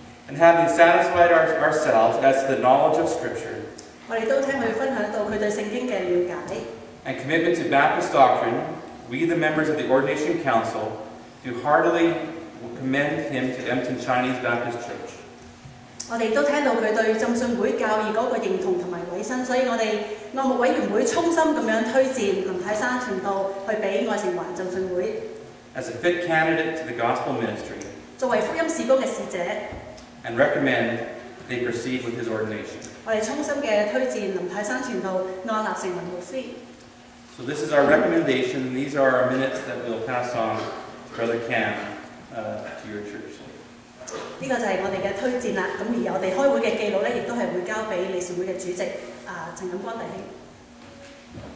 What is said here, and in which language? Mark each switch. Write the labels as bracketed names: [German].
[English] And having satisfied ourselves as to the knowledge of Scripture. [Chinese] 我们都听他分享到他对圣经的了解, [English] and commitment to Baptist doctrine, we the members of the Ordination Council do heartily commend him to Empton Chinese Baptist Church. [Chinese] 我们都听到他对浸信会教义的认同和委身,所以我们内务委员会衷心地推荐林泰山传道去给爱城华浸信会, [English] as a fit candidate to the gospel ministry, [Chinese] 作为福音事工的使者, [English] and recommend they proceed with his ordination. [Chinese] 我们衷心地推荐林泰山传道安立成为牧师。So [English] this is our recommendation, and these are our minutes that we'll pass on to Brother Cam to your church. [Chinese] 这个就是我们的推荐了,而我们开会的记录也会交给理事会的主席陈锦光弟兄。